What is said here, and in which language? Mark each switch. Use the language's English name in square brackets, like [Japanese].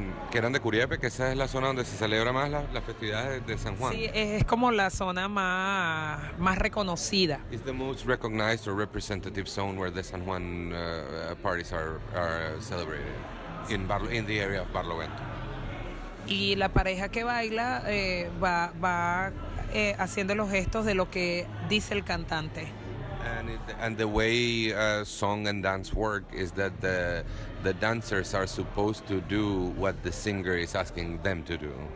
[Spanish] Que eran de Curiepe, que esa es la zona donde se celebra más las festividades de San Juan. Sí, es como la zona más reconocida. [English] It's the most recognized or representative zone where the San Juan parties are celebrated in the area of Barlovento. [Spanish] Y la pareja que baila va haciendo los gestos de lo que dice el cantante. [English] And the way song and dance work is that the dancers are supposed to do what the singer is asking them to do.